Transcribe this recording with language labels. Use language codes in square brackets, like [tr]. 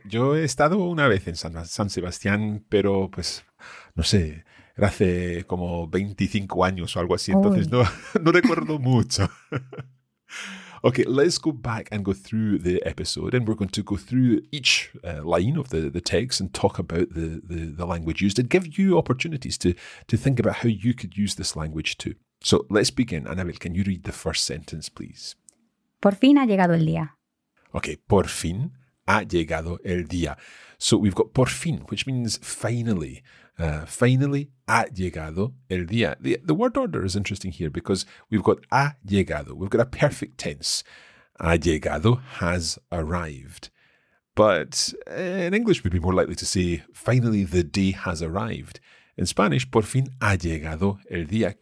[es] Yo he estado una vez en San Sebastián, pero pues, no sé, era hace como 25 años o algo así. Entonces no recuerdo mucho. [en] Okay, let's go back and go through the episode, and we're going to go through each line of the text and talk about the language used and give you opportunities to think about how you could use this language too. So let's begin. Anabel, can you read the first sentence, please? [es] Por fin ha llegado el día. Okay, por fin ha llegado el día. [en] So we've got [es] por fin, [en] which means finally. Finally, [es] ha llegado el día. [en] The word order is interesting here because we've got [es] ha llegado. [en] We've got a perfect tense. [es] Ha llegado [en] has arrived. But in English, we'd be more likely to say finally the day has arrived. In Spanish, [es] por fin ha llegado el día.